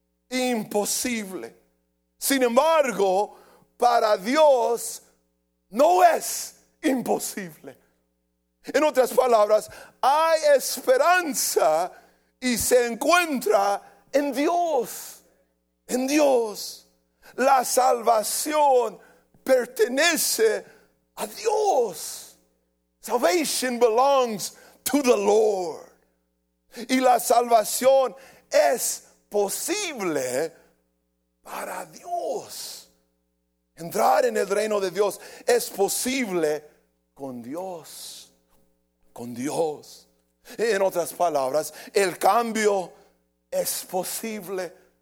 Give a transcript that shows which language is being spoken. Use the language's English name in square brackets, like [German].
[Spanish] Imposible. Sin embargo, para Dios no es imposible. En otras palabras, hay esperanza y se encuentra en Dios. En Dios. La salvación pertenece a Dios. [English] Salvation belongs to the Lord. [Spanish] Y la salvación es posible para Dios. Entrar en el reino de Dios es posible con Dios. Con Dios. En otras palabras, el cambio es posible.